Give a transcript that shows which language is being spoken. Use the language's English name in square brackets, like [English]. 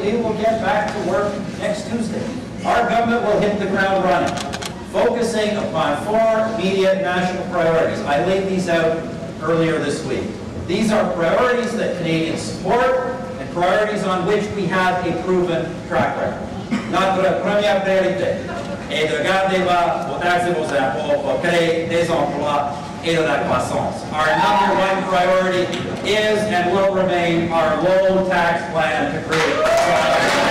[English] We will get back to work next Tuesday. Our government will hit the ground running, focusing upon four immediate national priorities. I laid these out earlier this week. These are priorities that Canadians support and priorities on which we have a proven track record. [French] Notre première priorité est de garder vos taxes, vos impôts pour créer des emplois et de la croissance. [English] Our number one priority is and will remain our low tax plan to create jobs.